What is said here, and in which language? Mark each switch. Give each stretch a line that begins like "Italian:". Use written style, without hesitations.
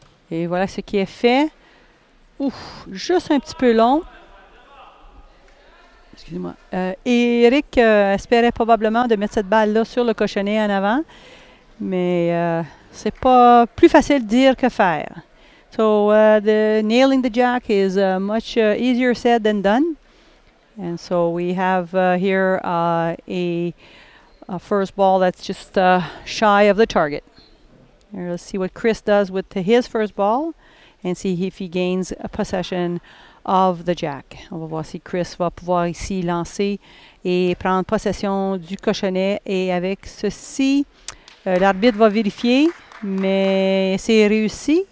French: Et voilà ce qui est fait. Ouf, juste un petit peu long. Excusez-moi. Éric espérait probablement de mettre cette balle-là sur le cochonnet en avant, mais c'est pas plus facile de dire que faire.
English: So, the nailing the jack is much easier said than done. And so we have here a first ball that's just shy of the target. Let's see what Chris does with his first ball and see if he gains a possession of the jack.
French: On va voir si Chris va pouvoir ici lancer et prendre possession du cochonnet. Et avec ceci, l'arbitre va vérifier, mais c'est réussi.